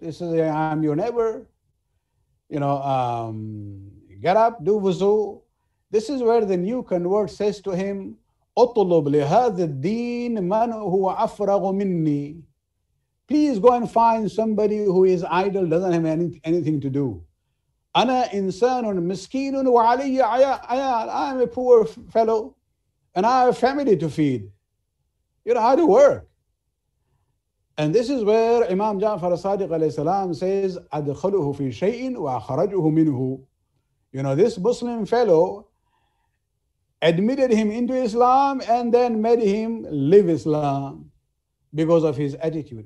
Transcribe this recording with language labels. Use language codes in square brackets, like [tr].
[en] He says, I'm your neighbor. You know, get up, do wuzu. This is where the new convert says to him, [ar] أطلب لهذا الدين من هو أفرغ مني. [en] Please go and find somebody who is idle, doesn't have anything to do. [ar] أنا إنسان مسكين وعلي عيال. [en] I'm a poor fellow and I have a family to feed. You know, how to work. And this is where Imam Ja'far al-Sadiq alayhi salam says, [ar] أَدْخَلُهُ فِي شَيْءٍ وَأَخْرَجُهُ مِنْهُ. [en] You know, this Muslim fellow admitted him into Islam and then made him live Islam because of his attitude.